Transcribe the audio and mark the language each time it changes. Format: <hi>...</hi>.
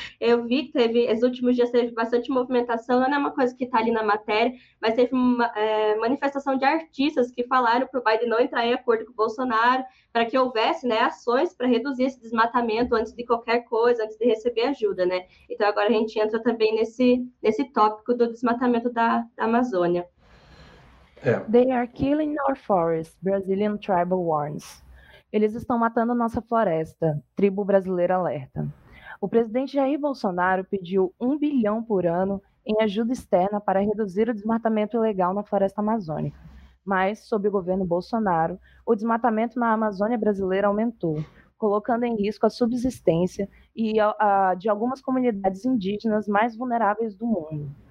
<pt>Eu vi que teve, nos últimos dias teve bastante movimentação, não é uma coisa que está ali na matéria, mas teve uma manifestação de artistas que falaram para o Biden não entrar em acordo com o Bolsonaro, para que houvesse, né, ações para reduzir esse desmatamento antes de qualquer coisa, antes de receber ajuda, né? Então agora a gente entra também nesse tópico do desmatamento da Amazônia.</pt> <en>They are killing our forests, Brazilian tribal warns.</en> <pt>Eles estão matando nossa floresta, tribo brasileira alerta. O presidente Jair Bolsonaro pediu 1 bilhão por ano em ajuda externa para reduzir o desmatamento ilegal na floresta amazônica. Mas, sob o governo Bolsonaro, o desmatamento na Amazônia brasileira aumentou, colocando em risco a subsistência e a de algumas comunidades indígenas mais vulneráveis do mundo.</pt>